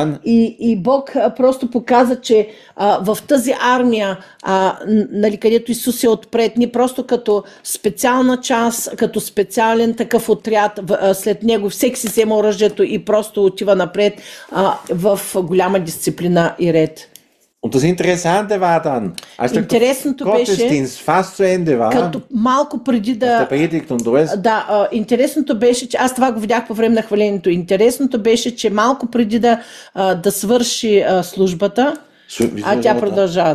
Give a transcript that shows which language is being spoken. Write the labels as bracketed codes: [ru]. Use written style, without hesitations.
[bg] И Бог просто показа, че в тази армия, нали, където Исус е отпред, ние просто като специална част, като специален такъв отряд, след него всеки си взема оръжието и просто отива напред в голяма дисциплина и ред. [de] Und das Interessante war dann, als der Gottesdienst fast zu Ende war, [bg] като малко преди да, [de] der Predigt und alles, [bg] да, интересното беше, че аз това го видях по време на хвалението. Интересното беше, че малко преди да свърши службата, тя продължава